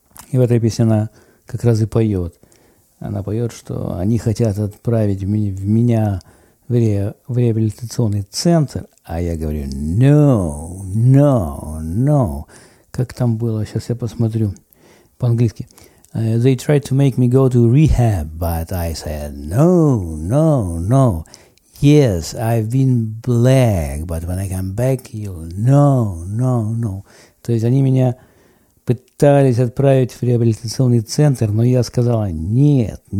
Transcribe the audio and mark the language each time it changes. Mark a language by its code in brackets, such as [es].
[ru] И в этой песне она как раз и поет. Она поет, что они хотят отправить меня в реабилитационный центр. А я говорю, no. Как там было? Сейчас я посмотрю по-английски. [en] They tried to make me go to rehab, but I said, no. Yes, I've been black, but when I come back, you'll no. [ru] То есть они меня пытались отправить в реабилитационный центр, но я сказала нет.